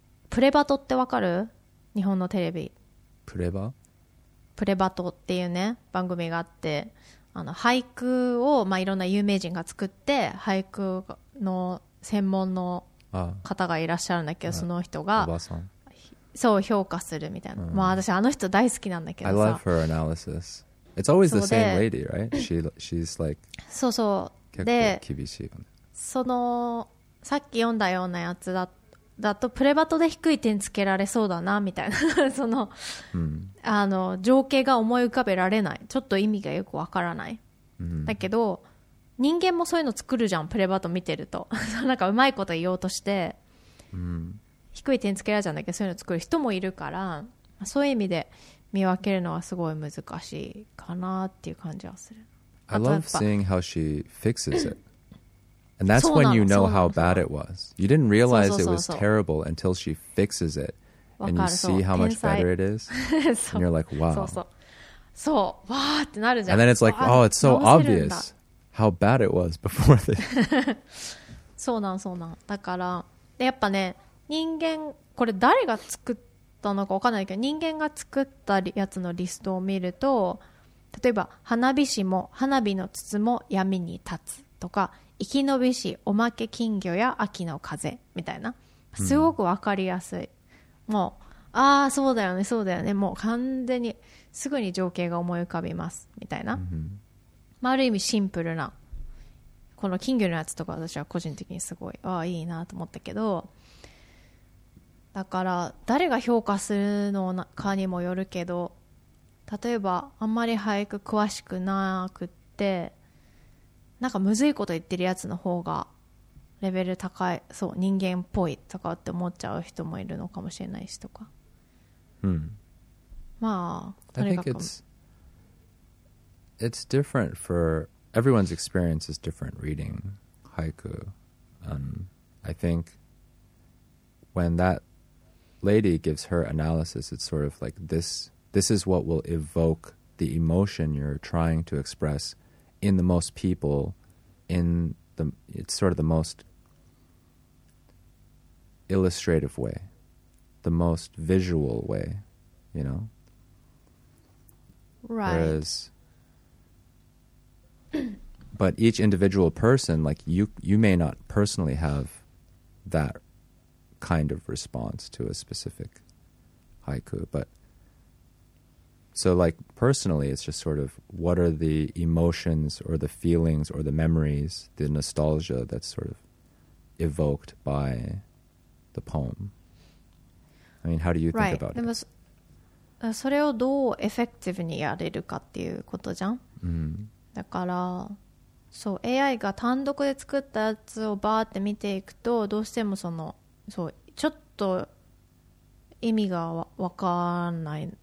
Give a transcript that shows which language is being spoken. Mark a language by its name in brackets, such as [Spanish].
[Japanese] プレバトってわかる日本のテレビプレバトっていうね番組があってあの俳句を、まあ、いろんな有名人が作って俳句の専門の方がいらっしゃるんだけどああその人がおばさんそう評価するみたいな、うん、まあ私あの人大好きなんだけどさ [English] I love her analysis It's always the same lady, right? She's like [Japanese] そうそう結構厳しいよねそのさっき読んだようなやつだだとプレバトで低い点つけられそうだなみたいなその、うん、あの情景が思い浮かべられない、ちょっと意味がよくわからない、うん、だけど人間もそういうの作るじゃん、プレバト見てるとなんかうまいこと言おうとして、うん、低い点つけられちゃうんだけど、そういうの作る人もいるから、そういう意味で見分けるのはすごい難しいかなっていう感じはする。 [English] I love seeing how she fixes itAnd that's when you know how bad it was. You didn't realize it was terrible until she fixes it. And you see how much better it is. And you're like, wow. [Japanese] そう、わーってなるじゃん。 [English] And then it's like, oh, it's so obvious how bad it was before this. [Japanese] そうなん、そうなん。だから、やっぱね、人間、これ誰が作ったのか分かんないけど、人間が作ったやつのリストを見ると、例えば、花火師も花火の筒も闇に立つとか、生き延びしおまけ金魚や秋の風みたいな、すごく分かりやすい、うん、もうああそうだよねそうだよね、もう完全にすぐに情景が思い浮かびますみたいな、うん、まあ、ある意味シンプルな、この金魚のやつとか私は個人的にすごいああいいなと思ったけど、だから誰が評価するのかにもよるけど、例えばあんまり俳句詳しくなくってなんかむずいこと言ってるやつの方がレベル高い、そう人間っぽいとかって思っちゃう人もいるのかもしれないしとか、うん、まあ、とにかく [English] it's different for everyone's experience is different reading 俳句、I think when that lady gives her analysis it's sort of like this is what will evoke the emotion you're trying to expressin the most people in the it's sort of the most illustrative way, the most visual way, you know, right? Whereas, but each individual person, like you may not personally have that kind of response to a specific haiku, butSo, like, personally, it's just sort of what are the emotions or the feelings or the memories, the nostalgia that's sort of evoked by the poem. I mean, how do you think right. about [Japanese] でも [English] it? [Japanese] それをどうエフェクティブにやれるかっていうことじゃん。 Mm-hmm. だから、そう、AI が単独で作ったやつをバーって見ていくと、どうしてもその、そう、ちょっと意味がわかんない。